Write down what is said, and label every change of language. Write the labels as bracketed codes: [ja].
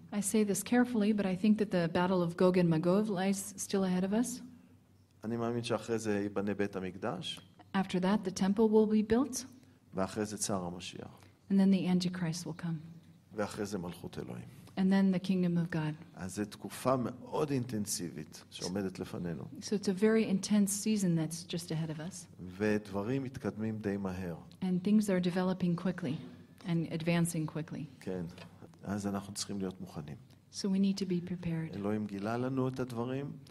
[en] I say this carefully, but I think that the battle of Gog and Magog lies still ahead of us. [he] אני מאמין שאחרי זה ייבנה בית המקדש. [en] After that, the temple will be built. [he] ואחרי זה צער המשיח. [en] And then the Antichrist will come. [he] ואחרי זה מלכות אלוהים. [en] And then the kingdom of God. [he] אז זו תקופה מאוד אינטנסיבית שעומדת לפנינו. [en] So it's a very intense season that's just ahead of us. [he] ודברים מתקדמים די מהר. [en] And things are developing quickly and advancing quickly. [he] כן. אז אנחנו צריכים להיות מוכנים. [en] So we need to be prepared. [he] אלוהים גילה לנו את הדברים.